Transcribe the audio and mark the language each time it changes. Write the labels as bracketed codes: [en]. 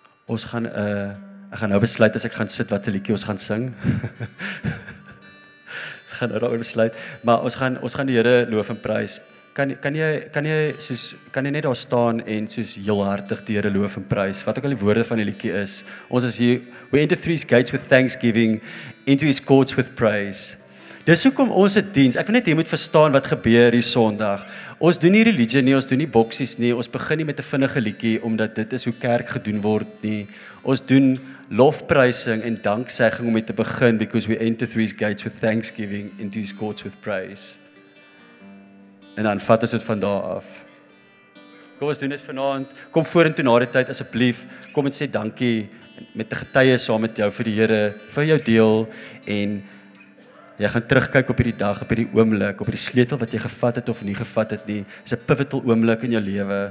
[af] Ons gaan ek gaan nou besluit as ek gaan sit watter liedjie ons gaan sing. Ek gaan nou daaroor besluit, maar ons gaan die Here loof en prys. Kan jy net daar staan en soos heelhartig die Here loof en prys, wat ook al die woorde van die liedjie is. Ons is hier, [en] we enter through his gates with thanksgiving, into his courts with praise. [af] Dis hoekom ons 'n diens, ek wil net jy moet verstaan wat gebeur hier Sondag. Ons doen nie religie nie, ons doen nie boksies nie, ons begin nie met 'n vinnige liedjie, omdat dit is hoe kerk gedoen word nie. Ons doen lofprysing en danksegging om mee te begin, [en] because we enter through his gates with thanksgiving, into his courts with praise. [af] En dan vat ons dit van daar af. Kom ons doen dit vanavond. Kom vorentoe na die tyd asseblief. Kom en sê dankie met die getuie saam met jou vir die Here, vir jou deel en jy gaan terugkyk op hierdie dag, op hierdie oomblik, op hierdie sleutel wat jy gevat het of nie gevat het nie. Dit is 'n pivotal oomblik in jou lewe.